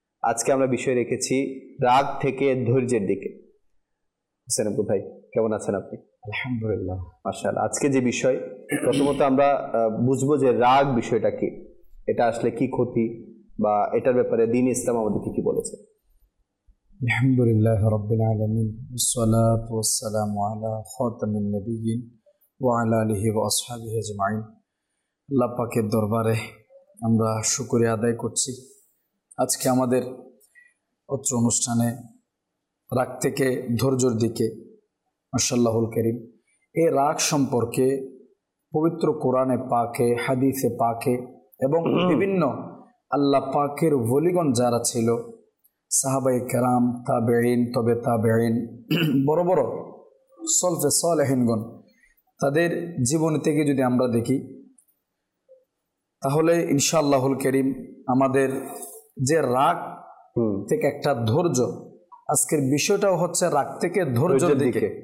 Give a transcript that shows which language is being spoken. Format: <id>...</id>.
<bn>আজকে আমরা বিষয় রেখেছি রাগ থেকে ধৈর্যের দিকে। হোসেন আব্দুল ভাই কেমন আছেন আপনি? আলহামদুলিল্লাহ মাশাআল্লাহ। আজকে যে বিষয়, প্রথমত আমরা বুঝবো যে রাগ বিষয়টা কি, এটা আসলে কি ক্ষতি, বা এটার ব্যাপারে দীন ইসলাম আমাদের কি কি বলেছে।</bn> <ar>আলহামদুলিল্লাহ রাব্বিল আলামিন, والصلاه والسلام على خاتم النبيين وعلى اله واصحابه اجمعين।</ar> <bn>আল্লাহ পাকের দরবারে আমরা শুকরিয়া আদায় করছি। আজকে আমাদের অত্র অনুষ্ঠানে রাগ থেকে ধৈর্যের দিকে, মাশাআল্লাহুল করিম। এই রাগ সম্পর্কে পবিত্র কোরআনে পাকে, হাদিসে পাকে, এবং বিভিন্ন আল্লাহ পাকের ওলিগণ যারা ছিল, সাহাবায়ে কেরাম, তাবেঈন, তবে তাবেঈন, বড় বড় সলফে সালেহীনগণ, তাদের জীবনী থেকে যদি আমরা দেখি, তাহলে ইনশাআল্লাহুল করিম আমাদের যে রাগ থেকে একটা ধৈর্য, আজকের বিষয়টাও হচ্ছে রাগ থেকে ধৈর্যের দিকে।</bn>